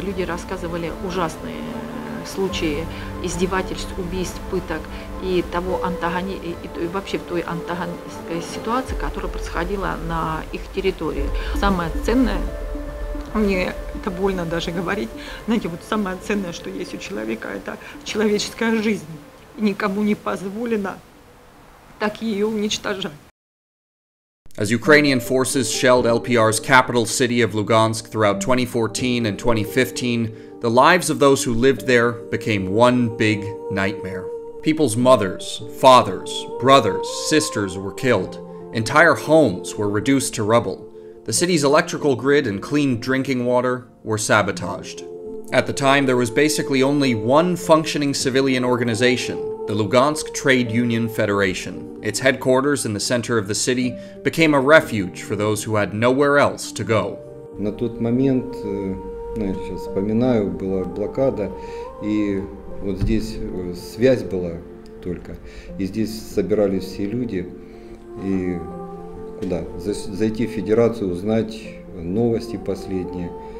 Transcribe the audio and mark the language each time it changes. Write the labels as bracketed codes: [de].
[ru] Люди рассказывали ужасные случаи издевательств, убийств, пыток и того антагонистской ситуации, которая происходила на их территории. Самое ценное, мне это больно даже говорить, знаете, вот самое ценное, что есть у человека, это человеческая жизнь. И никому не позволено так ее уничтожать. [en] As Ukrainian forces shelled LPR's capital city of Lugansk throughout 2014 and 2015, the lives of those who lived there became one big nightmare. People's mothers, fathers, brothers, sisters were killed. Entire homes were reduced to rubble. The city's electrical grid and clean drinking water were sabotaged. At the time, there was basically only one functioning civilian organization, the Lugansk Trade Union Federation. Its headquarters in the center of the city became a refuge for those who had nowhere else to go. [ru] На тот момент, ну, я сейчас вспоминаю, была блокада, и вот здесь связь была только, и здесь собирались все люди, и куда? Зайти в федерацию, узнать новости последние.